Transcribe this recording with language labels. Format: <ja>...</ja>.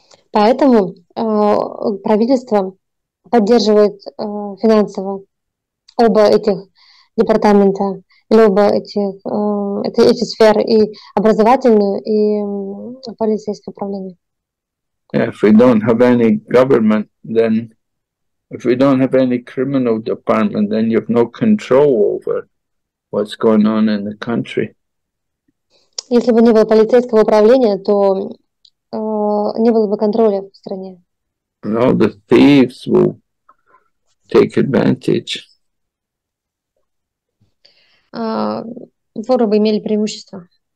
<ru>Поэтому правительство поддерживает финансово оба этих департамента, или оба этих эти сферы, и образовательную, и полицейское управление.</ru> <en>Yeah, if we don't have any government, then if we don't have any criminal department, then you have no control over what's going on in the country.</en> <ru>Если бы не было полицейского управления, то не было бы контроля в стране.</ru> <en>No, the thieves will take advantage.</en> <ru>Воры бы имели преимущество.</ru>